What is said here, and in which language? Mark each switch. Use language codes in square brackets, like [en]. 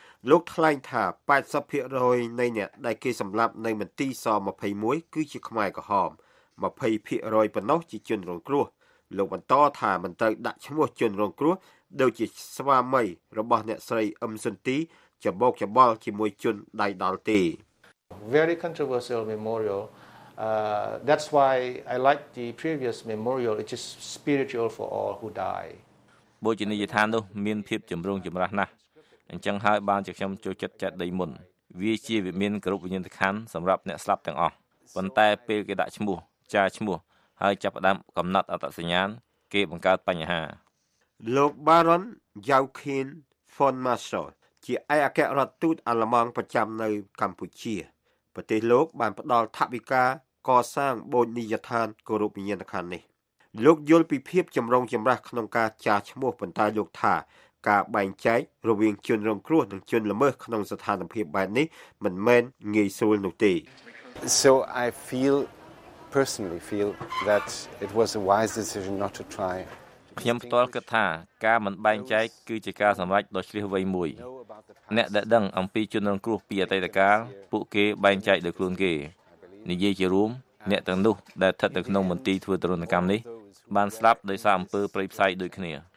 [km] លោកថ្លែងថា 80% នៃអ្នកដែលគេសម្លាប់នៅមន្ទីរស-21គឺជាខ្មែរក្រហម 20% ប៉ុណ្ណោះជាជនរងគ្រោះលោកបន្តថាមិនត្រូវដាក់ឈ្មោះជនរងគ្រោះដូចជាស្វាមីរបស់អ្នកស្រីអឹមសុនទីច្បោកច្បល់ជាមួយជនដៃដល់ទេ [en] Very controversial memorial that's why I like the previous memorial it is spiritual for all who die [km] បូជនីយដ្ឋាននោះមានភាពចម្រូងចម្រាសណាស់អញ្ចឹងហើយបានជាខ្ញុំចូលចិត្តចាត់ដីមុនវាជាវិមានគោរពវិញ្ញាណក្ខន្ធសម្រាប់អ្នកស្លាប់ទាំងអស់ប៉ុន្តែពេលគេដាក់ឈ្មោះចារឈ្មោះហើយចាប់ផ្ដើមកំណត់អត្តសញ្ញាណគេបង្កើតបញ្ហា លោក Baron Joachim von Marschall ជាឯកអគ្គរដ្ឋទូតអាល្លឺម៉ង់ប្រចាំនៅកម្ពុជាប្រទេសលោកបានផ្ដល់ថវិកាកសាងបូជនីយដ្ឋានគោរពវិញ្ញាណក្ខន្ធនេះលោកយល់ពីភាពចម្រុងចម្រាសក្នុងការចារឈ្មោះប៉ុន្តែលោកថាការបែងចែករវាងជនរងគ្រោះនិងជនល្មើសក្នុងស្ថានភាពបែបនេះមិនមែនងាយស្រួលនោះទេ [en] So I personally feel that it was a wise decision not to try [km] ខ្ញុំផ្ទាល់គិតថាការមិនបែងចែកគឺជាការសម្រេចដ៏ឆ្លៀសវៃមួយអ្នកដែលដឹងអំពីជនរងគ្រោះពីអតីតកាលពួកគេបែងចែកដោយខ្លួនគេនិយាយជារួមអ្នកទាំងនោះដែលស្ថិតនៅក្នុងមន្ទីរធ្វើទរណកម្មនេះបានស្លាប់ដោយសារអំពើប្រីផ្សៃដូចគ្នា